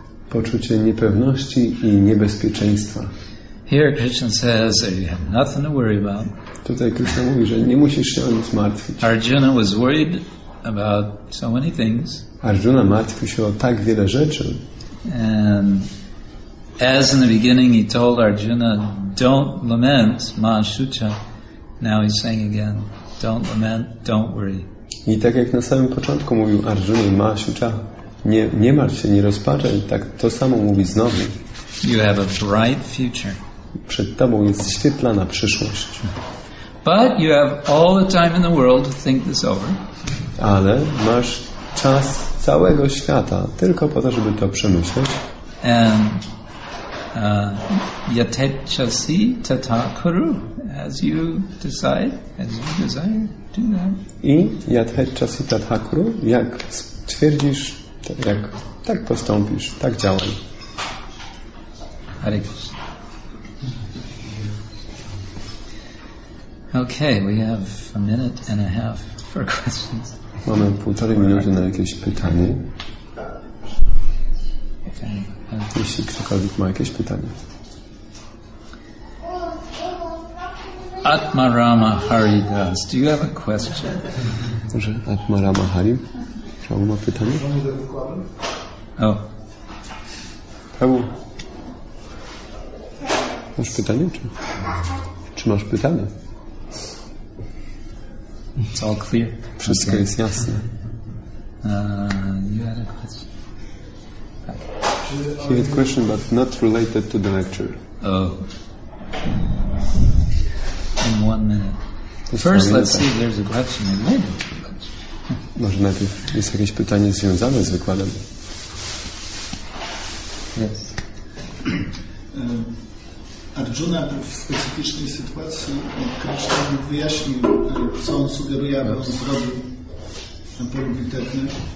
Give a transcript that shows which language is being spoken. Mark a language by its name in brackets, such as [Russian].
[Polish] Poczucie niepewności i niebezpieczeństwa. [English] Here Krishna says that you have nothing to worry about. [Polish] Tutaj Krishna mówi, że nie musisz się o nic martwić. [English] Arjuna was worried about so many things. [Polish] Arjuna martwił się o tak wiele rzeczy. [English] And as in the beginning he told Arjuna, don't lament, ma shucha. Now he's saying again, don't lament, don't worry. [Polish] I tak jak na samym początku mówił Arjuna, ma shucha. Nie martw się, nie rozpaczaj. Tak to samo mówi znowu. [English] You have a bright future. [Polish] Przed tobą jest świetlana przyszłość. [English] But you have all the time in the world to think this over. [Polish] Ale masz czas całego świata tylko po to, żeby to przemyśleć. [English] And [Sanskrit] yatechasi tata kuru, [English] as you desire, do that. [Polish] I [Sanskrit] yatechasi tata kuru, [Polish] jak stwierdzisz, jak tak postąpisz, tak działaj. [English] Okay, we have a minute and a half for questions. [Polish] Mamy półtorej minuty na jakieś pytanie. Jeśli ktokolwiek ma jakieś pytanie. [English] Atmarama Haridas, do you have a question? [Polish] Może Atmarama Hari? Prawo ma pytanie? O. Prawo. Masz pytanie? Czy masz pytanie? [English] It's all clear. [Polish] Wszystko okay. Jest jasne. [English] You had a question. He had a question, but not related to the lecture. Oh. In 1 minute. First, let's see if there's a question in the lecture. [Polish] Może najpierw jest jakieś pytanie związane z wykładem? [English] Yes. [Polish] Arjuna w specyficznej sytuacji Krishna wyjaśnił, co on sugeruje, aby on zrobił na polu bitewnym.